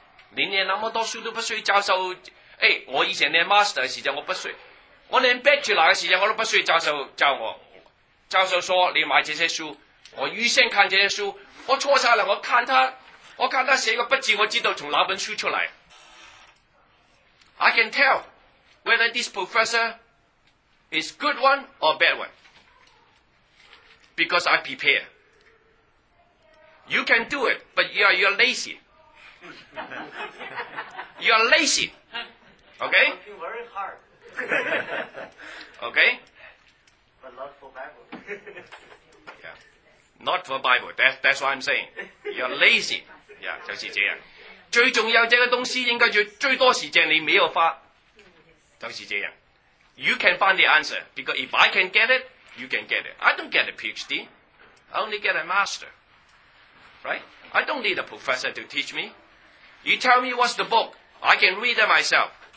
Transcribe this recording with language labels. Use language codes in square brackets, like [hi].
[zh] 你念那么多书都不需要教授，哎，我以前念 master 的时候我不需要，我念 bachelor 的时候我都不需要教授教我。教授说你买这些书，我预先看这些书，我错下来，我看他写个笔记，我知道从哪本书出来。 [en] I can tell whether this professor is good one or bad one because I prepare. You can do it, but you are lazy. You are lazy. Okay? I'm working very hard. Okay? But not for Bible. Yeah. Not for Bible. That's what I'm saying. You are lazy. Yeah, [zh] 就是这样。最重要这个东西应该就最多时间你没有发，就是这样。 [en] You can find the answer because if I can get it, you can get it. I don't get a PhD, I only get a master, right? I don't need a professor to teach me. You tell me what's the book, I can read it myself.